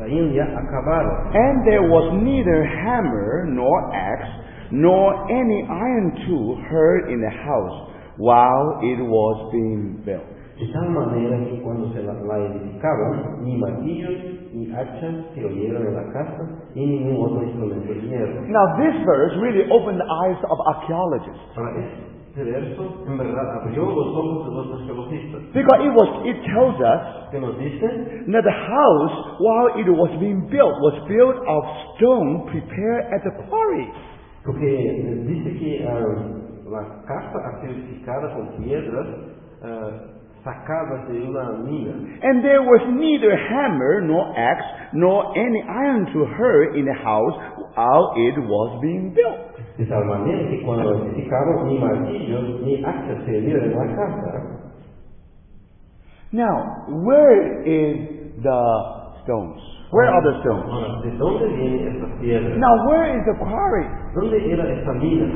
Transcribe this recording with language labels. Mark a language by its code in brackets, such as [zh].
[en] And there was neither hammer nor axe, nor any iron tool heard in the house while it was being built. [es] De tal manera que cuando se la edificaron, ni martillos ni hachas se oyeron en la casa, ni ningún otro instrumento de hierro. [en] Now this verse really opened the eyes of archaeologists. [es] Este verso en verdad abrió los ojos de los arqueólogos. [en] Because it tells us that the house, while it was being built, was built of stone prepared at the quarry. [es] Porque dice que la casa artificada con piedras sacada de una mina. [en] And there was neither hammer nor axe nor any iron to her in the house while it was being built. [es] De tal manera que cuando edificaron ni martillos ni hachas se vieron en la casa. [en] Now, where is the stones? Where are the stones? Now, where is the quarry? [es] ¿Dónde era esta mina?